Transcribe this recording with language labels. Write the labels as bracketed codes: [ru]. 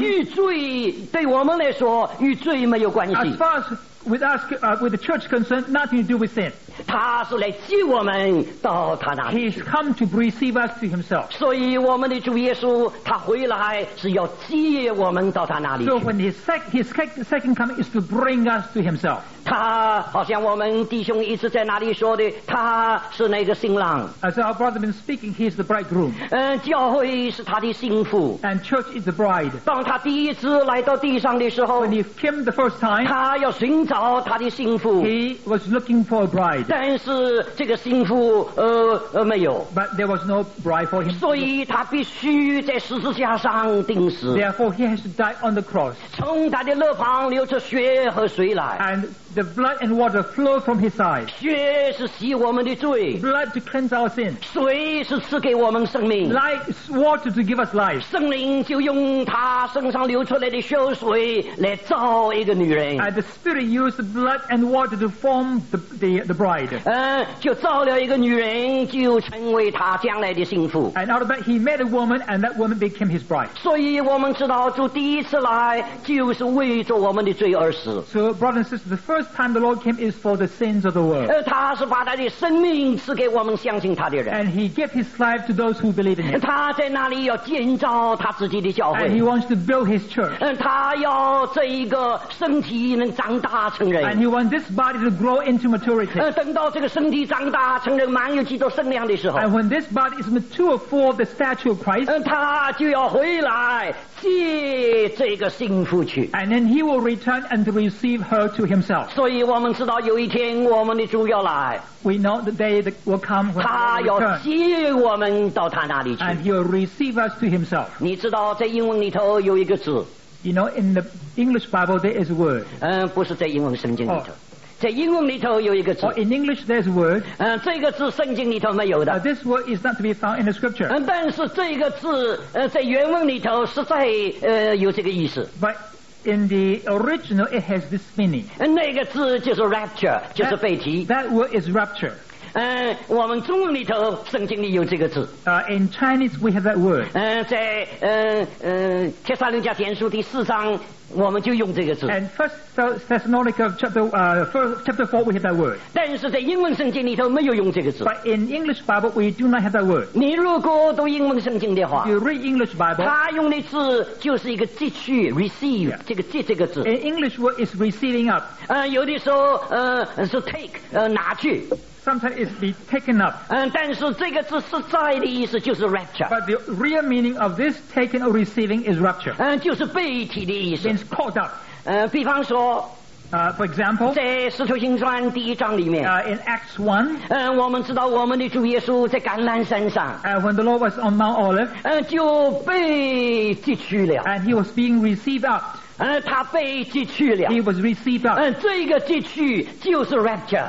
[zh] 与罪对我们来说与罪没有关系 [en] As far as with us, with the church concerned, nothing to do with sin. [zh] 他是来接我们到他那里 [en] He's come to receive us to himself. [zh] 所以我们的主耶稣他回来是要接我们到他那里 [en] So when his second coming is to bring us to himself. [zh] 他好像我们弟兄一直在那里说的他是那个新郎 [en] As our brother been speaking he is the bridegroom [zh] 教会是他的新妇 [en] And church is the bride [zh] 当他第一次来到地上的时候 [en] When he came the first time [zh] 他要寻找他的新妇 [en] He was looking for a bride [zh] 但是这个新妇没有 [en] But there was no bride for him [zh] 所以他必须在十字架上钉死 [en] Therefore he has to die on the cross [zh] 从他的肋旁流出血和水来 [en] AndThe blood and water flow from his side. [zh] 血是洗我们的罪 [en] Blood to cleanse our sin. [zh] 水是赐给我们生命 [en] Life, water to give us life. [zh] 圣灵就用他身上流出来的血水来造一个女人 [en] And the spirit used the blood and water to form the bride. [zh] 就造了一个女人就成为他将来的新妇 [en] And out of that he met a woman and that woman became his bride. [zh] 所以我们知道主第一次来就是为着我们的罪而死 [en] So brothers and sisters, the first time the Lord came is for the sins of the world. [zh] 他是把他的生命赐给我们相信他的人。 [en] And he gave his life to those who believe in him. [zh] 他在那里要建造他自己的教会。 [en] And he wants to build his church. [zh] 他要这一个身体能长大成人。 [en] And he wants this body to grow into maturity. [zh] 等到这个身体长大成人满有基督圣量的时候。 [en] And when this body is mature for the stature of Christ. [zh] 他就要回来接这个新妇去。 [en] And then he will return and receive her to himself. [zh] 所以我们知道有一天我们的主要来 [en] We know the day that will come when [zh] 他要接我们到他那里去 [en] And he will receive us to himself [zh] 你知道在英文里头有一个字 [en] You know in the English Bible there is a word [zh] 不是在英文圣经里头、在英文里头有一个字 [en] In English there's a word [zh] 这个字圣经里头没有的 [en] This word is not to be found in the scripture [zh] 但是这个字在原文里头实在有这个意思 [en] ButIn the original, it has this meaning. [zh] 那个字就是 rapture, 就是被提。 [en] That word is rapture. [zh] 我们中文里头圣经里有这个字。 [en] In Chinese, we have that word. [zh] 在帖撒罗尼迦前书第四章我们就用这个字。 [en] And First Thessalonica chapter 4, we have that word. [zh] 但是在英文圣经里头没有用这个字。 [en] But in English Bible, we do not have that word. [zh] 你如果读英文圣经的话 [en] You read English Bible. [zh] 他用的字就是一个接去 receive,、这个接这个字。 [en] In English word is receiving up. [zh] 有的时候是 take, 拿去。 [en] Sometimes it's be taken up. [zh] 但是这个字实在的意思就是 rapture. [en] But the real meaning of this taken or receiving is rapture. [zh] 就是被提的意思。 [en] Means caught up. [zh] 比方说 [en] For example, [zh] 在《使徒行传》第一章里面 [en] In Acts 1, [zh] 我们知道我们的主耶稣在橄榄山上 [en] When the Lord was on Mount Olive, [zh] 就被接去了 [en] And he was being received up. [zh] 他被接去了 [en] He was received up. [zh] 这个接去就是 rapture.